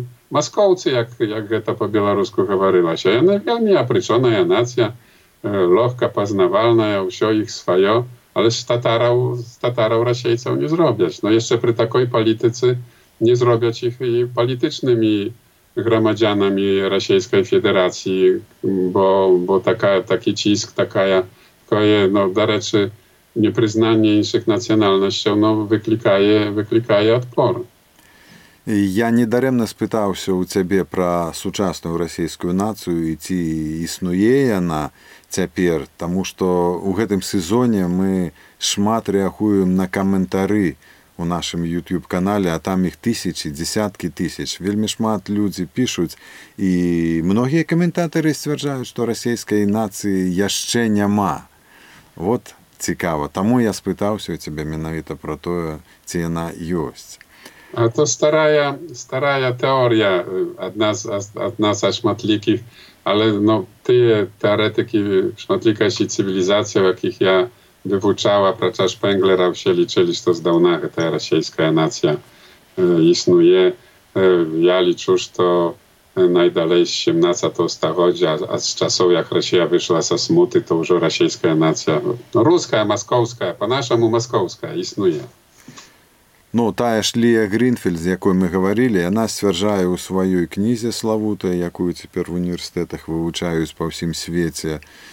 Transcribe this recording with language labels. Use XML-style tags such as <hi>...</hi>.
<be>маскоўцы, як гэта па-беларуску гаварылася, яны вельмі апрычоная нацыя, лёгка пазнавальная, ўсё іх сваё, але ж татараў расейцаў не зробяць. Ну, яшчэ пры такой палітыцы не зробяць іх і палітычнымі грамадзянамі Расійскай Федэрацыі, бо такі ціск, такая, ну, дарэчы,</be> <uk>непризнання інших національностей, воно викликає відпор. Я недаремно спитався у тебе про сучасну російську націю і чи існує вона тепер, тому що у цьому сезоні ми шмат реагуємо на коментарі у нашому YouTube-каналі, а там їх тисячі, десятки тисяч. Вельми шмат люди пишуть, і многі коментатори стверджають, що російської нації ще нема. От цікаво. Тому я спитався у тебе менавіта про те, чи вона є. А то стара теорія, одна з шматліких, але ну, ті теоретики шматлікої цивілізації, в яких я вивчав, про час Шпенглера, всі лічили, що здавна ця російська нація існує.</uk> <be>Я лічу, що найдалей з 17-го стагоддзя, а з часоў, як Расія выйшла са смуты, то ўжо расійская нація, руская, маскоўская, па-нашаму маскоўская, існуе. Ну, тая ж Лія Грінфельд, з якой мы гаварілі, яна сцвярджае ў сваёй кнізе славутая, якую цяпер в універсітэтах вывучаюць па ўсім свеце,</be>